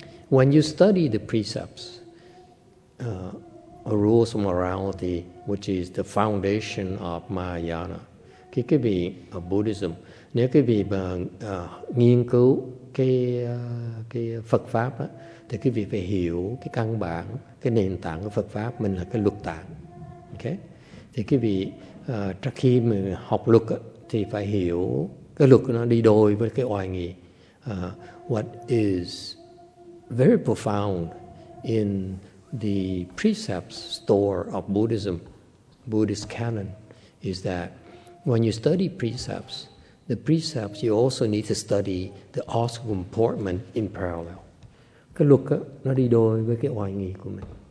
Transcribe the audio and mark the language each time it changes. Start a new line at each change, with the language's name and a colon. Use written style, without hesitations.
English: When you study the precepts, rules of morality, which is the foundation of Mahayana,
Vietnamese: khi quý vị ở Buddhism, nếu quý vị nghiên cứu cái Phật pháp đó, thì quý vị phải hiểu cái căn bản, cái nền tảng của Phật pháp mình là cái luật tạng. Okay? Thì quý vị trước khi mình học luật thì phải hiểu cái luật nó đi đôi với cái oai nghi.
English: What is very profound in the precepts store of Buddhism, Buddhist canon, is that when you study precepts, the precepts you also need to study the awesome comportment in parallel.
Vietnamese: Cái luật đó, nó đi đôi với cái oai nghi của mình.